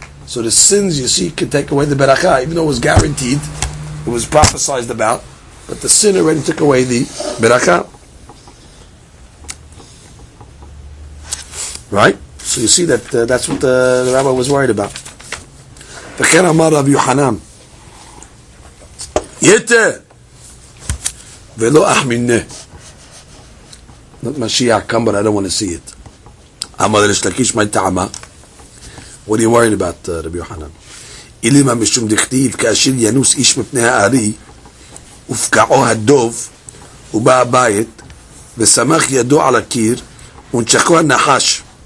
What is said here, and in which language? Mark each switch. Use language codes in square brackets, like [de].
[en] So the sins, you see, can take away the beracha, even though it was guaranteed, it was prophesied about. But the sin already took away the beracha. Right? So you see that that's what the rabbi was worried about. [he] וכן אמר רב יוחנן יתה ולא אחמינה משיח קמבר, [en] I don't want to see it. [he] אמר רש לקיש מי טעמה. [en] What are you worried about, רב יוחנן? [he] אילימה משום דכתיב כאשר ינוס איש מפני הארי ופקעו הדוב ובא הבית ושמח ידו על הקיר ונשכו הנחש.